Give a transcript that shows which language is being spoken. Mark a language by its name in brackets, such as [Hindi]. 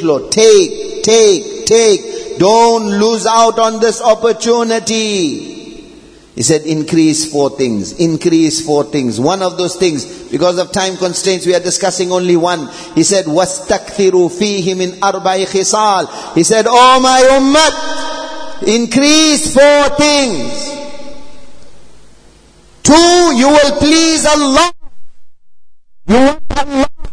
[English] Take. Don't lose out on this opportunity. He said, increase four things. One of those things, because of time constraints, we are discussing only one. He said, [Arabic] وَاسْتَكْثِرُوا فِيهِ مِنْ أَرْبَعِ خِصَالِ. [English] He said, oh my ummah, increase four things. Two, you will please Allah. You want Allah.